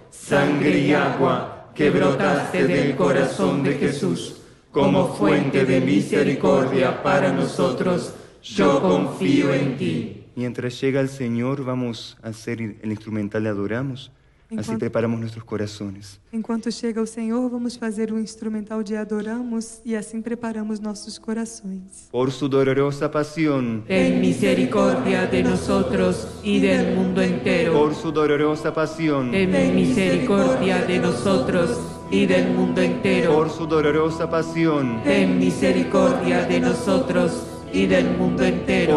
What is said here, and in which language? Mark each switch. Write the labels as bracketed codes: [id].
[es] Sangre y agua que brotaste del corazón de Jesús como fuente de misericordia para nosotros, yo confío en ti. Mientras llega el Señor, vamos a hacer el instrumental de Adoramos. Así preparamos nuestros corazones. [pt] Enquanto chega o Senhor, vamos fazer um instrumental de Adoramos e assim preparamos nossos corações. [es] Por su dolorosa pasión, ten misericordia de nosotros y del mundo entero. Por su dolorosa pasión, ten misericordia de nosotros y del mundo entero. Por su dolorosa pasión, ten misericordia de nosotros y del mundo entero.